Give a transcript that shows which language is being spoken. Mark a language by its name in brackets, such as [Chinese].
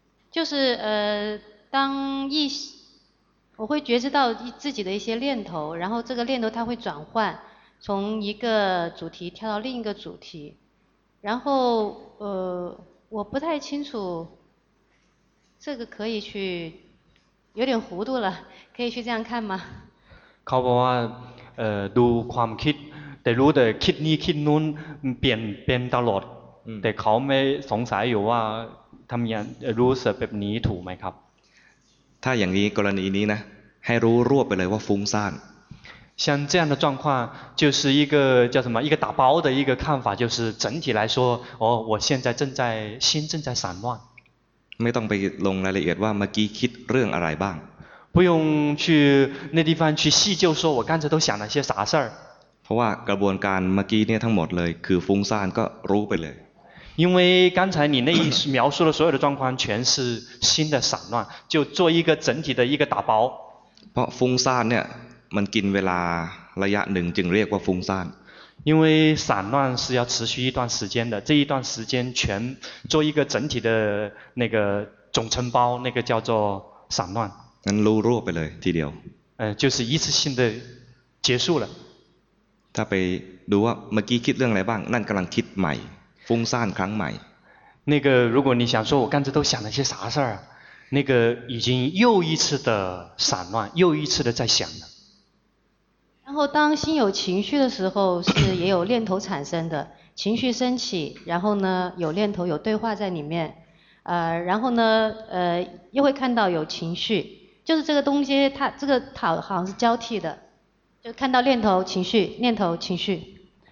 [Chinese] 就是当一我会觉知到自己的一些念头然后这个念头它会转换从一个主题跳到另一个主题然后我不太清楚这个可以去有点糊涂了可以去这样看吗 [Thai] เขาบอกว่าดูความคิดแต่รู้แต่คิดนี้คิดนู้นเปลี่ยนตลอดแต่เขาไม่สงสัยอยู่ว่าทำยังรู้สึกแบบนี้ถูกไหมครับ ถ้าอย่างนี้กรณีนี้นะให้รู้รวบไปเลยว่าฟุ้งซ่าน [Chinese] 像这样的状况就是一个叫什么一个打包的一个看法就是整体来说哦我现在正在心正在散乱 [Thai] ไม่ต้องไปลงรายละเอียดว่าเมื่อกี้คิดเรื่องอะไรบ้าง [Chinese] 不用去那地方去细究说我刚才都想了些啥事儿 [Thai] เพราะว่ากระบวนการเมื่อกี้เนี่ยทั้งหมดเลยคือฟุ้งซ่านก็รู้ไปเลย [Chinese] 因为刚才你那一描述的所有的状况全是心的散乱就做一个整体的一个打包 [Thai] เพราะฟุ้งซ่านเนี่ยมันกินเวลาระยะหนึ่งจึงเรียกว่าฟุ้งซ่าน [Chinese] 因为散乱是要持续一段时间的这一段时间全做一个整体的那个总承包那个叫做散乱 [Thai] นั้นรู้รวบไปเลยทีเดียว [Chinese] 就是一次性的结束了 [Thai] ถ้าไปดูว่าเมื่อกี้คิดเรื่องอะไรบ้างนั่นกำลังคิดใหม่ฟุ้งซ่านครั้งใหม่ [Chinese] 那个如果你想说我刚才都想了些啥事儿那个已经又一次的散乱又一次的在想了然后当心有情绪的时候是也有念头产生的情绪升起然后呢有念头有对话在里面然后呢又会看到有情绪就是这个东西它这个它好像是交替的就看到念头情绪念头情绪